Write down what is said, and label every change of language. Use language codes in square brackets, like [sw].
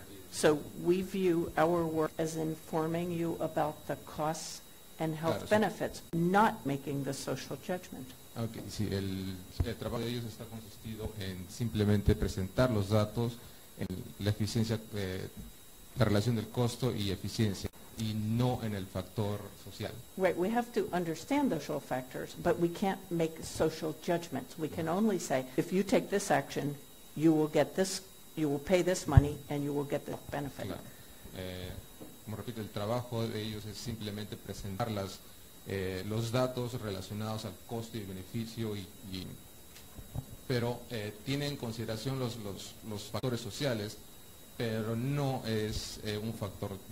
[en] So we view our work as informing you about the costs and health benefits, not making the social judgment. [es] Okay, sí, el trabajo de ellos está consistido en simplemente presentar los datos, en la eficiencia, la relación del costo y eficiencia, y no en el factor social. [en] Right, we have to understand social factors, but we can't make social judgments. We can only say, if you take this action, you will get this. You will pay this money and you will get the benefit. [es] Claro. Como repito, el trabajo de ellos es simplemente presentar los datos relacionados al costo y beneficio, pero tienen en consideración los factores sociales, pero no es un factor.